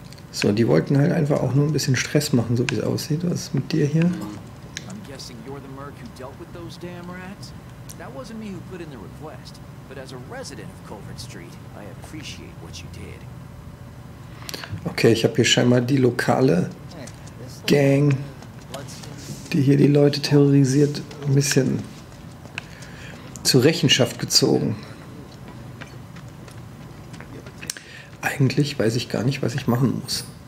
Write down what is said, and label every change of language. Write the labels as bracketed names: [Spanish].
[German] So, die wollten halt einfach auch nur ein bisschen Stress machen, so wie es aussieht. Was ist mit dir hier? [English] I'm guessing you're the merc who dealt with those damn rats. That wasn't me who put in the request, but as a resident of Culvert Street, I appreciate what you did. [German] Okay, ich habe hier scheinbar die lokale Gang, die hier die Leute terrorisiert, ein bisschen zur Rechenschaft gezogen. Eigentlich weiß ich gar nicht, was ich machen muss.